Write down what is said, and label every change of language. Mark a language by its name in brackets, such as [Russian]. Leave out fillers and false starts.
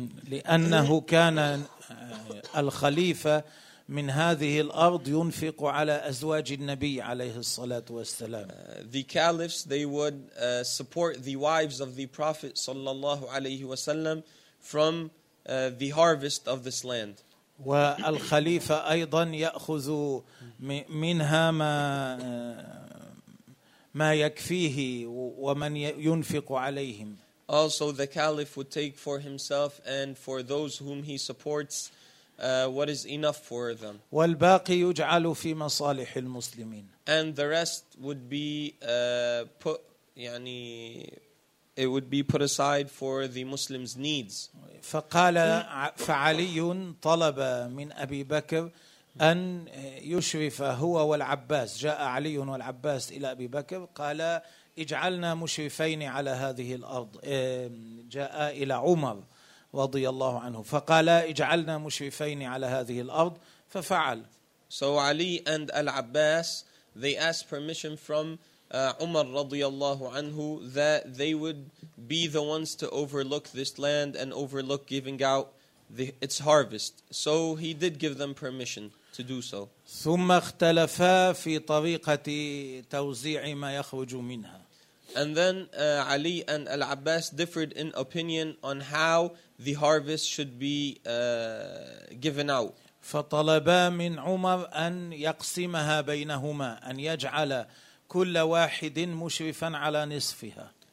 [Arabic] لأنه كان الخليفة من هذه الأرض ينفق على أزواج النبي عليه الصلاة والسلام. [English] The caliphs, they would support the wives of the Prophet [Arabic] صلى الله عليه وسلم [English] from the harvest of this land. [Arabic] والخليفة أيضا يأخذ منها ما ما يكفيه ومن ينفق عليهم. [English] Also, the caliph would take for himself and for those whom he supports what is enough for them. [Arabic] والباقي يجعل في مصالح المسلمين. [English] And the rest would be put, [Arabic] يعني, [English] it would be put aside for the Muslims' needs. [Arabic] فقال فعلي طلب من أبي بكر أن يشرف هو والعباس. جاء علي والعباس إلى أبي بكر. قال اجعلنا مشرفين على هذه الأرض. جاء إلى عمر رضي الله عنه. فقال اجعلنا مشرفين على هذه الأرض. ففعل. [English] So Ali and Al-Abbas, they asked permission from Umar [Arabic] رضي الله عنه [English] that they would be the ones to overlook this land and overlook giving out its harvest. So he did give them permission to do so. [Arabic] ثم اختلفا في طريقة توزيع ما يخرج منها. [English] And then Ali and Al-Abbas differed in opinion on how the harvest should be given out. [Arabic] فطلبا من عمر أن يقسمها بينهما أن يجعل كل واحد مشرفا على نصفها.